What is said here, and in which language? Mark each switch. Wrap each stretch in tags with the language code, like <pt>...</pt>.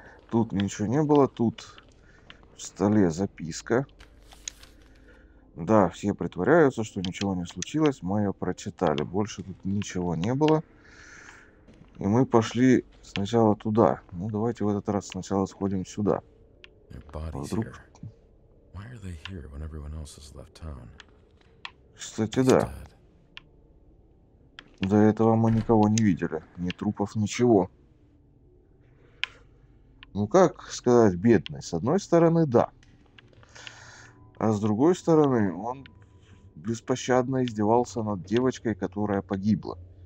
<ru>Тут ничего не было. Тут в столе записка. Да, все притворяются, что ничего не случилось. Мы ее прочитали. Больше тут ничего не было. И мы пошли сначала туда. Ну, давайте в этот раз сначала сходим сюда. Вдруг...</ru> <en>Why are they here when everyone else has left town?</en> <ru>Кстати, да. До этого мы никого не видели. Ни трупов, ничего. Ну, как сказать, бедный. С одной стороны, да. А с другой стороны, он беспощадно издевался над девочкой, которая погибла.</ru>